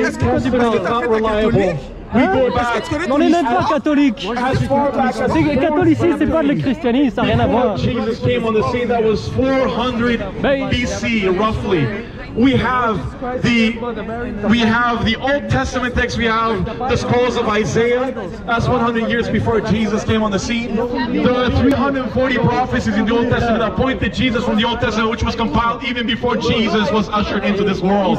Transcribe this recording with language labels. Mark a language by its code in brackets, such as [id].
[en] you obviously don't know what you're talking about. Archaeologists, you have proof. We go back. [fr] On est même pas catholique. C'est catholicisme, c'est pas le christianisme, ça n'a rien à voir. [en] Jesus came on the scene, that was 400 BC, roughly. We have the Old Testament text, we have the scrolls of Isaiah, that's 100 years before Jesus came on the scene. The 340 prophecies in the Old Testament that pointed Jesus from the Old Testament, which was compiled even before Jesus was ushered into this world.